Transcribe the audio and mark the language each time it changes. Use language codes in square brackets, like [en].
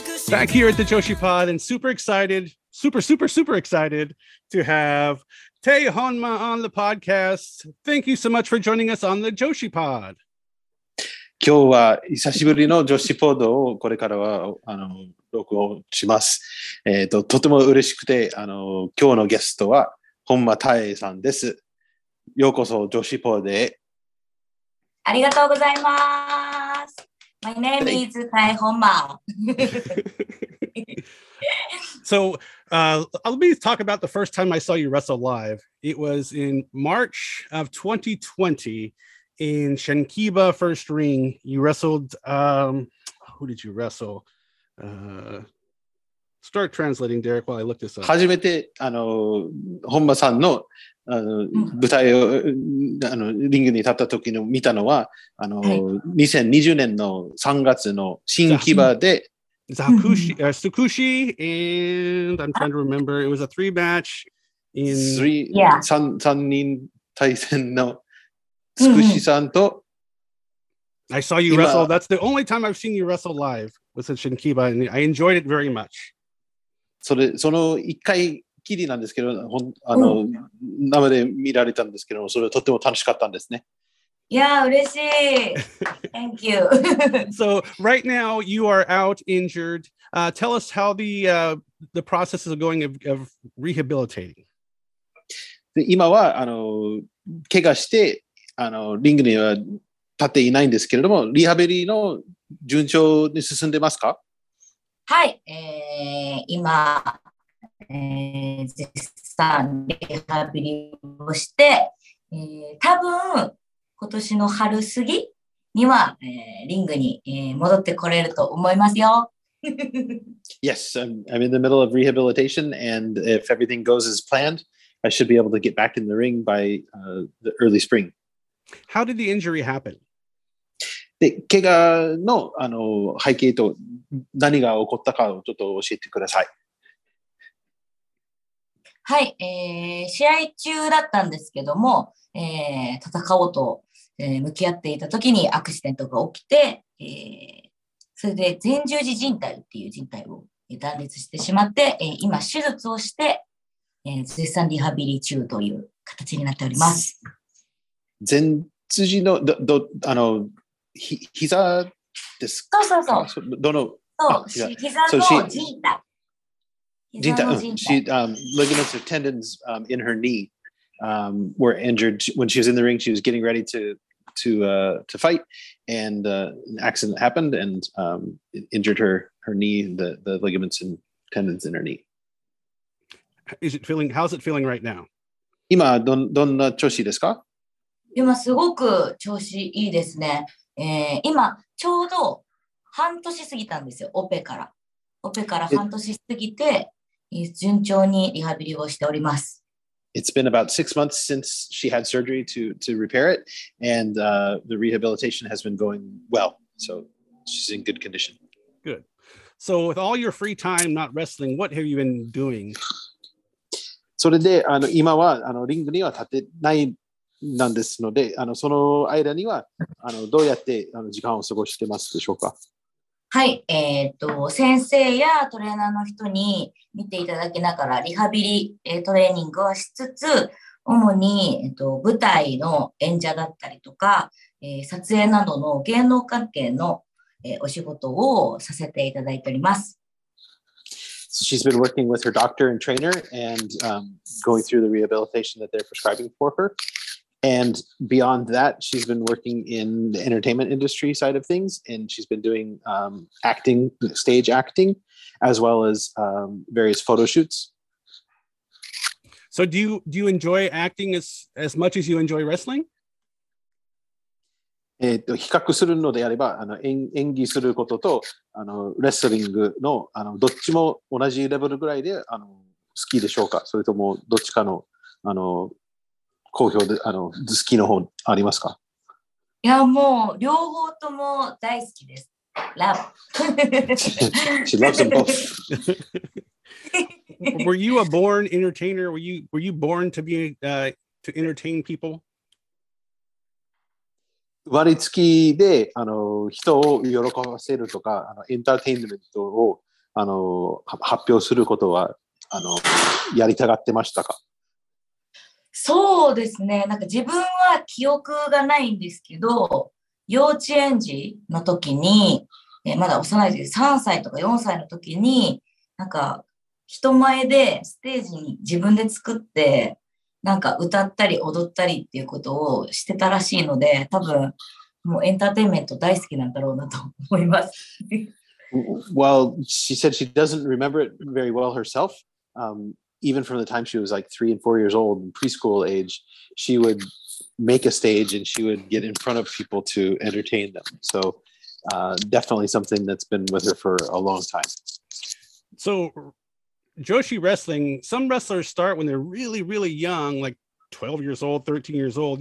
[en] Back here at the Joshi Pod, and super excited, super, super, super excited to have Tae Honma on the podcast. Thank you so much for joining us on the Joshi Pod. [ja] 今日は久しぶりの女子ポードをこれからは録音します。とても嬉しくて、今日のゲストは本間太さんです。ようこそ女子ポードへ。ありがとうございます。 [en] My name is Tae Honma. So let me talk about the first time I saw you wrestle live. It was in March of 2020 in Shinkiba First Ring. You wrestled, who did you wrestle? Start translating, Derek, while I look this up. [ja] 初めて本間さんの舞台をリングに立った時の見たのは2020年の3月の新木場で [en] Tsukushi and I'm trying to remember it was a three match in [ja] 3人対戦の Tsukushi さんと [en] I saw you wrestle. That's the only time I've seen you wrestle live was at Shinkiba, and I enjoyed it very much. [ja] その一回きりなんですけど、生で見られたんですけど、それはとても楽しかったんですね。いや、嬉しい。 [en] Thank you. So right now you are out injured. Tell us how the process is going of rehabilitating. [ja] で今は怪我してリングには立っていないんですけれども、リハビリの順調に進んでますか？はい、今、絶賛リハビリをして、多分今年の春過ぎには、リングに、戻ってこれると思いますよ。 [en] Yes, I'm in the middle of rehabilitation, and if everything goes as planned, I should be able to get back in the ring by the early spring. How did the injury happen? [ja] で怪我 の, 背景と何が起こったかをちょっと教えてください。はい、試合中だったんですけども、戦おうと、向き合っていた時にアクシデントが起きて、それで前十字靭帯っていう靭帯を断裂してしまって、今手術をして、絶賛リハビリ中という形になっております。前十字のどあの膝ですか。そうそうそう。どの。そう。膝の靭帯。靭帯。 [en] She ligaments or tendons in her knee were injured when she was in the ring. She was getting ready to fight, and an accident happened and injured her knee, the ligaments and tendons in her knee. Is it feeling? How's it feeling right now? [ja] 今どんな調子ですか。今すごく調子いいですね。今ちょうど半年過ぎたんですよ、オペから半年過ぎて順調にリハビリをしております。 [en] It's been about 6 months since she had surgery to repair it, and the rehabilitation has been going well, so she's in good condition. Good. So with all your free time not wrestling, what have you been doing? [ja] それで今はリングには立てないなんですので、その間にはどうやって時間を過ごしてますでしょうか。はい、先生やトレーナーの人に見ていただきながらリハビリ、トレーニングはしつつ、主に、舞台の演者だったりとか、撮影などの芸能関係の、お仕事をさせていただいております。 [en] So she's been working with her doctor and trainer and going through the rehabilitation that they're prescribing for her. And beyond that, she's been working in the entertainment industry side of things, and she's been doing acting, stage acting, as well as various photo shoots. So do you enjoy acting as much as you enjoy wrestling? [ja] 比較するのであれば、演技することとレスリングのどっちも同じレベルぐらいで好きでしょうか？それともどっちかの好評で好きの方ありますか？いや、もう両方とも大好きです。ラブ。 [en] She loves them both. Were you a born entertainer? Were you born to be to entertain people? [ja] 生まれつきで人を喜ばせるとかエンターテインメントを発表することはやりたがってましたか？そうですね。なんか自分は記憶がないんですけど、幼稚園児の時に、まだ幼い時、3歳とか4歳の時に、なんか人前でステージに自分で作って、なんか歌ったり踊ったりっていうことをしてたらしいので、多分もうエンターテインメント大好きなんだろうなと思います。 [en] Well, she said she doesn't remember it very well herself. Even from the time she was like 3 and 4 years old, preschool age, she would make a stage and she would get in front of people to entertain them. So definitely something that's been with her for a long time. So Joshi Wrestling, some wrestlers start when they're really, really young, like 12 years old, 13 years old.